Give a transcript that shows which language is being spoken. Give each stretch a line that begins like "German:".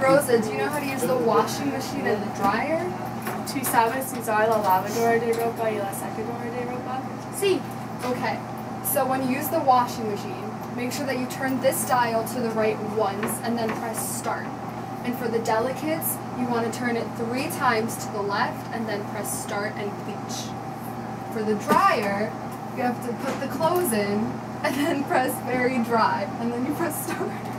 English: Rosa, do you know how to use the washing machine and the dryer?
Spanish: ¿Tú sabes usar la lavadora de ropa y la secadora de ropa? Sí.
English: Okay, so when you use the washing machine, make sure that you turn this dial to the right once and then press start. And for the delicates, you want to turn it 3 times to the left and then press start and bleach. For the dryer, you have to put the clothes in and then press very dry and then you press start.